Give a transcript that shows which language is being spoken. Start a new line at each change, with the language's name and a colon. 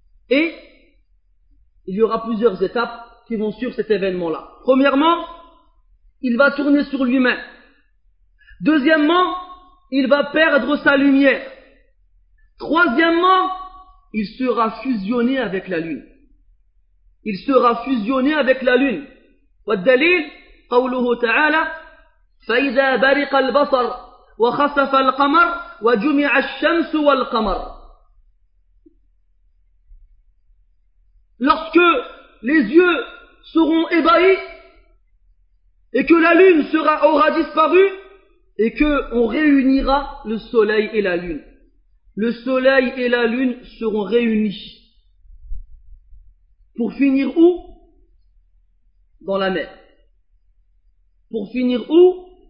French: Et il y aura plusieurs étapes qui vont suivre cet événement-là. Premièrement, il va tourner sur lui-même. Deuxièmement, il va perdre sa lumière. Troisièmement, il sera fusionné avec la lune. Il sera fusionné avec la lune.
Arabic: والدليل قوله تعالى فإذا برق البصر وخسف القمر وجمع الشمس والقمر.
French: Lorsque les yeux seront ébahis et que la lune aura disparu et que on réunira le soleil et la lune. Le soleil et la lune seront réunis. Pour finir où? Dans la mer. Pour finir où?